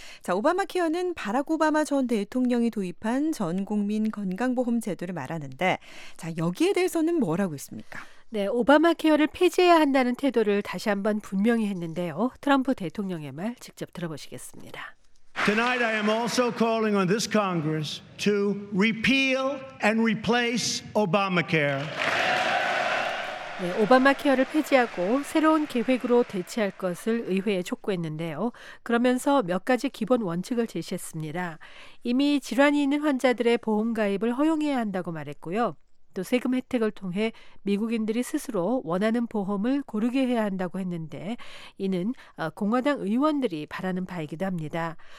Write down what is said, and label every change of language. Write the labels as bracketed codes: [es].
[ko] 자, 오바마 케어는 바락 오바마 전 대통령이 도입한 전 국민 건강보험 제도를 말하는데, 자, 여기에 대해서는 뭐라고 있습니까? 네, 오바마 케어를 폐지해야 한다는 태도를 다시 한번 분명히 했는데요. 트럼프 대통령의 말 직접 들어보시겠습니다. [en] Tonight I am also calling on this Congress to repeal and replace Obamacare. [ko] 네, 오바마 케어를 폐지하고 새로운 계획으로 대체할 것을 의회에 촉구했는데요. 그러면서 몇 가지 기본 원칙을 제시했습니다. 이미 질환이 있는 환자들의 보험 가입을 허용해야 한다고 말했고요. 또 세금 혜택을 통해 미국인들이 스스로 원하는 보험을 고르게 해야 한다고 했는데 이는 공화당 의원들이 바라는 바이기도 합니다.